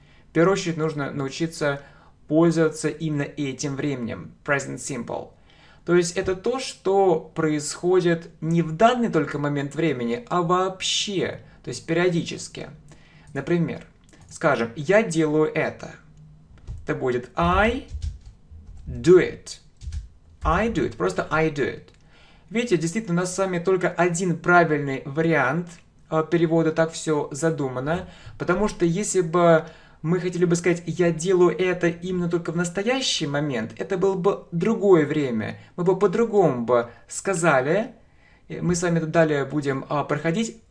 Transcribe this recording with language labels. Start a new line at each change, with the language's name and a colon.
Russian: В первую очередь нужно научиться пользоваться именно этим временем.
English: Present simple.
Russian: То есть это то, что происходит не в данный только момент времени, а вообще. То есть периодически. Например, скажем, я делаю это.
English: Это будет I do it. I do it. Просто I do it.
Russian: Видите, действительно, у нас с вами только один правильный вариант перевода, так все задумано. Потому что если бы мы хотели бы сказать, я делаю это именно только в настоящий момент, это было бы другое время. Мы бы по-другому бы сказали. Мы с вами это далее будем проходить.